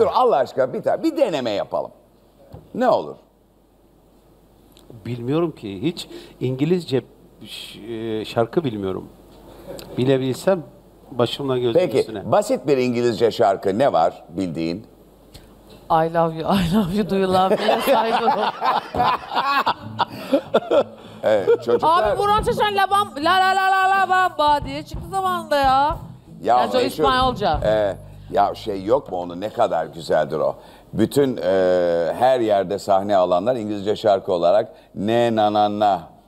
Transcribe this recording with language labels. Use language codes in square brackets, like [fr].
[tr] Dur Allah aşkına bir deneme yapalım. Ne olur? Bilmiyorum ki, hiç İngilizce şarkı bilmiyorum. Bilebilsem başımla gözüm peki, üstüne. Peki basit bir İngilizce şarkı ne var bildiğin? [en] I love you, I love you, do you love me? [tr] Saygılı. Evet, çocuklar... Abi Burhan Çeşen la bam, la la la la la bam ba diye çıktı zamanında ya. Ya Joe İsmailca. Ya şey yok mu onu, ne kadar güzeldir o. Bütün her yerde sahne alanlar İngilizce şarkı olarak ne na na na.